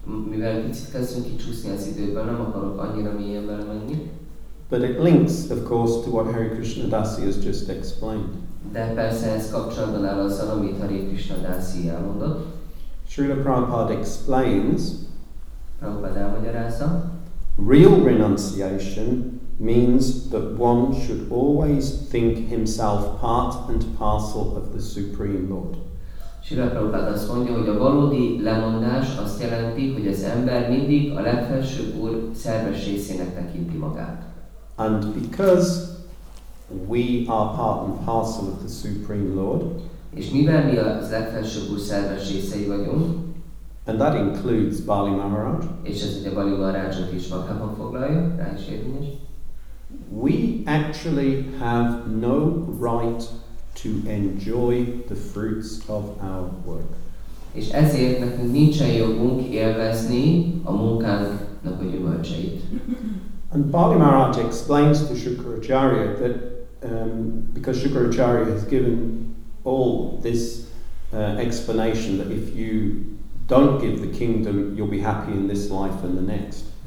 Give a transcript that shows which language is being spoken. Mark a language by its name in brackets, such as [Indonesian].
[Hungarian] Mivel picit kezdünk kicsúszni az időben, nem akarok annyira mélyen belemenni. [English] But it links, of course, to what Hare Krishna Dasi has just explained. [Hungarian] De persze ez kapcsolatban áll azzal, amit Hare Krishna Dasi elmondott. [English] Srila Prabhupada explains, [Hungarian] Prabhupada elmagyarázza, [English] real renunciation means that one should always think himself part and parcel of the Supreme Lord. [Hungarian] Srila Prabhupada azt mondja, hogy a valódi lemondás azt jelenti, hogy az ember mindig a legfelsőbb úr szerves részének tekinti magát. [English] And because we are part and parcel of the Supreme Lord, [Hungarian] és mivel mi az legfelsőbb úr szerves részei vagyunk, [English] and that includes Bali Maharaj, [Hungarian] és ez ugye Bali Maharajot is magában foglalja, rá is érvényes, [English] we actually have no right to enjoy the fruits of our work. [Hungarian] És ezért nekünk nincsen jogunk élvezni a munkánknak a gyümölcseit. [English] And Bali Maharaj explains to Shukracharya that because Shukracharya has given all this explanation that if you don't give the kingdom, you'll be happy in this life and the next.